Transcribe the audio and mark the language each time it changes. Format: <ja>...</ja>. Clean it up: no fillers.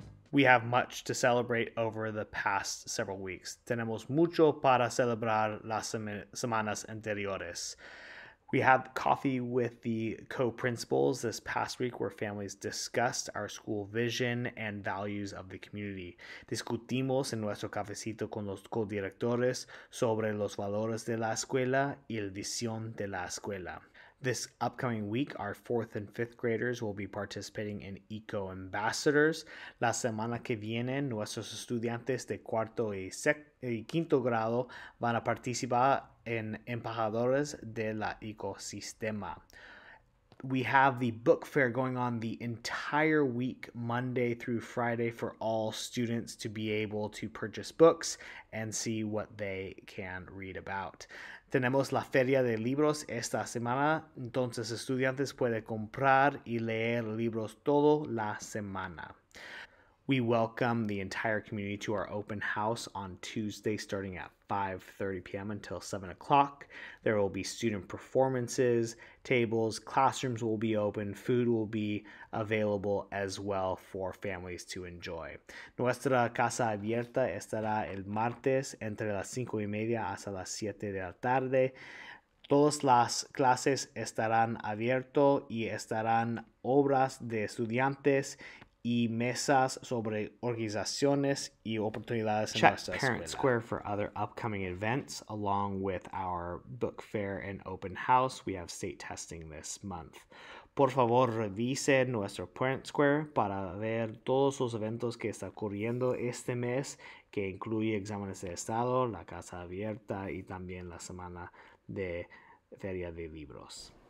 <en>we have much to celebrate over the past several weeks.</en> <es>Tenemos mucho para celebrar las semanas anteriores.</es> <en>We had coffee with the co-principals this past week where families discussed our school vision and values of the community.</en> <es>Discutimos en nuestro cafecito con los co-directores sobre los valores de la escuela y la visión de la escuela.</es> <en>This upcoming week, our 4th and 5th graders will be participating in Eco Ambassadors.</en> <es>La semana que viene, nuestros estudiantes de cuarto y quinto grado van a participar en Embajadores de la Ecosistema.</es> <en>We have the book fair going on the entire week, Monday through Friday, for all students to be able to purchase books and see what they can read about.</en> <es>Tenemos la feria de libros esta semana, entonces estudiantes pueden comprar y leer libros todo la semana.</es> <en>We welcome the entire community to our open house on Tuesday starting at 5:30 p.m. until 7 o'clock. There will be student performances, tables, classrooms will be open, food will be available as well for families to enjoy.</en> <es>Nuestra casa abierta estará el martes entre las 5 y media hasta las 7 de la tarde. Todas las clases estarán abiertas y estarán obras de estudiantes y mesas sobre organizaciones y oportunidades en nuestra escuela.</es> <en>Check Parent Square for other upcoming events along with our book fair and open house. We have state testing this month.</en> <es>Por favor, revise nuestro Parent Square para ver todos los eventos que está ocurriendo este mes, que incluye exámenes de estado, la casa abierta y también la semana de feria de libros.</es>